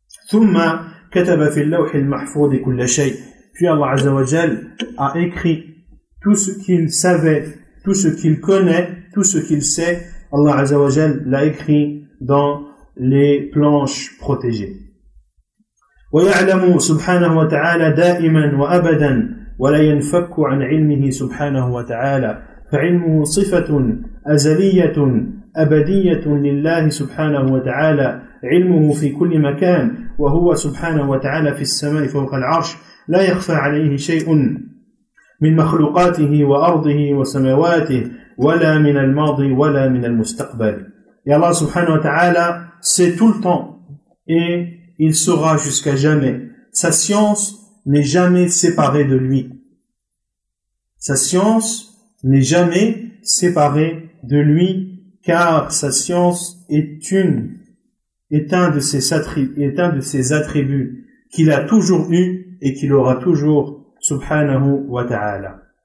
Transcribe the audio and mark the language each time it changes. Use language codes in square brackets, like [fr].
[ar] ثم كتب في اللوح المحفوظ كل شيء. [fr] Puis Allah عز وجل a écrit tout ce qu'il savait, tout ce qu'il connaît, tout ce qu'il sait. Allah عز وجل l'a écrit dans les planches protégées. [ar] ويعلم سبحانه وتعالى دائما وأبدا ولا ينفك عن علمه سبحانه وتعالى. فعلمه صفة أزلية أبدية لله سبحانه وتعالى. علمه في كل مكان وهو سبحانه وتعالى في السماء فوق العرش لا يخفى عليه شيء من مخلوقاته وأرضه وسماواته ولا من الماضي ولا من المستقبل. [fr] Et Allah subhanahu wa ta'ala sait tout le temps et il saura jusqu'à jamais. Sa science n'est jamais séparée de lui. Sa science n'est jamais séparée de lui car sa science est un de ses attributs qu'il a toujours eu et qu'il aura toujours, subhanahu wa ta'ala.